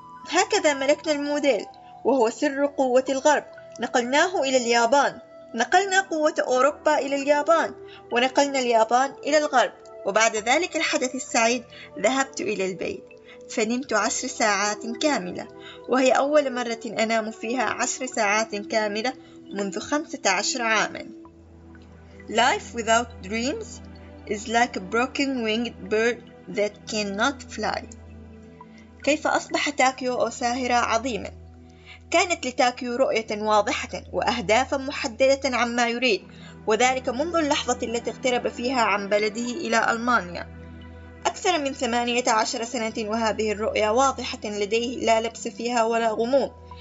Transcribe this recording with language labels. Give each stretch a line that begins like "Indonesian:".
Arabic: هكذا ملكنا الموديل، وهو سر قوة الغرب، نقلناه إلى اليابان، نقلنا قوة أوروبا إلى اليابان، ونقلنا اليابان إلى الغرب. وبعد ذلك الحدث السعيد ذهبت إلى البيت فنمت 10 ساعات كاملة، وهي أول مرة أنام فيها 10 ساعات كاملة منذ 15 عاما.
English: Life without dreams is like a broken winged bird that cannot fly.
Arabic: كيف أصبح تاكيو أوساهرا عظيما؟ كانت لتاكيو رؤية واضحة وأهدافا محددة عما يريد، وذلك منذ اللحظة التي اقترب فيها عن بلده إلى ألمانيا. أكثر من 18 سنة وهذه الرؤية واضحة لديه، لا لبس فيها ولا غموض.